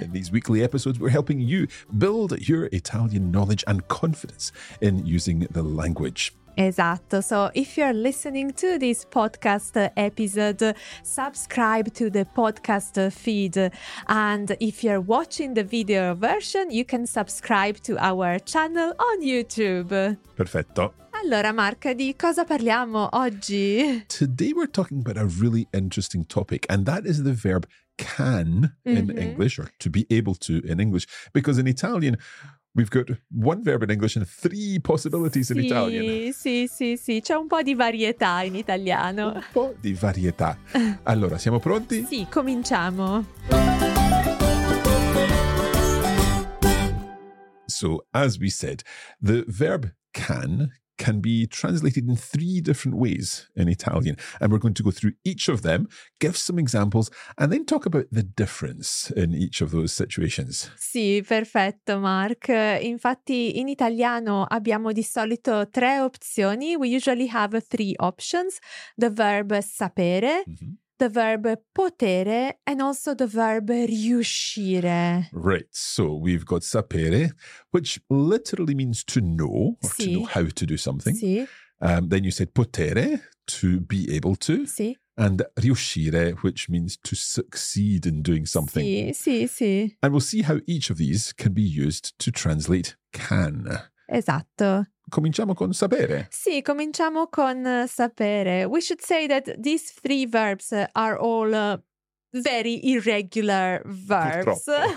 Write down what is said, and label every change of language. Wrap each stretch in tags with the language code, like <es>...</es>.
<en>In these weekly episodes, we're helping you build your Italian knowledge and confidence in using the language.</en> <it>Esatto.</it> <en>So if you're listening to this podcast episode, subscribe to the podcast feed. And if you're watching the video version, you can subscribe to our channel on YouTube.</en> <it>Perfetto. Allora, Mark, di cosa parliamo oggi?</it> <en>Today we're talking about a really interesting topic, and that is the verb can in English, or to be able to in English, because in Italian, we've got one verb in English and three possibilities in Italian.</en> <it>Sì. C'è un po' di varietà in italiano. Un po' di varietà. Allora, siamo pronti? Sì, cominciamo.</it> <en>So, as we said, the verb can be translated in three different ways in Italian. And we're going to go through each of them, give some examples, and then talk about the difference in each of those situations.</en> <it>Sì, perfetto, Mark. Infatti, in italiano abbiamo di solito tre opzioni.</it> <en>We usually have three options. The verb sapere, the verb potere, and also the verb riuscire. Right, so we've got sapere, which literally means to know, or to know how to do something. Then you said potere, to be able to. And riuscire, which means to succeed in doing something. And we'll see how each of these can be used to translate can.</en> <it>Esatto. Cominciamo con sapere. Sì, cominciamo con sapere.</it> <en>We should say that these three verbs are all very irregular verbs.</en>